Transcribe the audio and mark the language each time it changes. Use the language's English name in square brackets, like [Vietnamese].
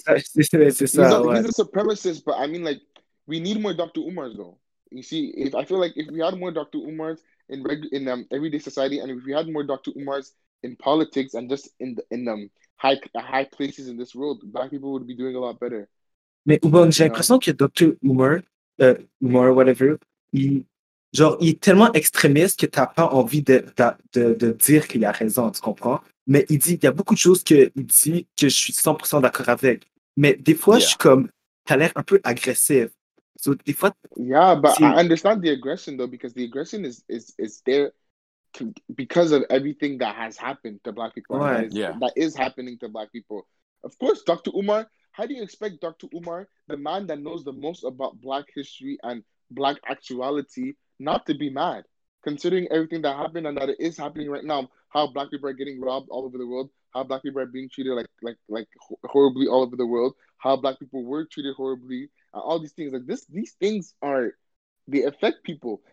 [English] He's a supremacist, but I mean, like, we need more Dr. Umars, though. You see, if I feel like if we had more Dr. Umars in everyday society, and if we had more Dr. Umars in politics and just in high places in this world, black people would be doing a lot better. [French] Mais bon, j'ai l'impression que Dr. Umar, Umar, whatever, genre, il est tellement extrémiste que tu n'as pas envie de dire qu'il a raison, tu comprends? Mais il dit, il y a beaucoup de choses qu'il dit que je suis 100% d'accord avec. Mais des fois, je suis comme, tu as l'air un peu agressif. So, des fois, [English] I understand the aggression, though, because the aggression is there because of everything that has happened to black people. [French] Ouais. [English] That is happening to black people. Of course, Dr. Umar, how do you expect Dr. Umar, the man that knows the most about black history and black actuality, not to be mad, considering everything that happened and that it is happening right now, how black people are getting robbed all over the world, how black people are being treated like horribly all over the world, how black people were treated horribly, and all these things. Like these things are, they affect people.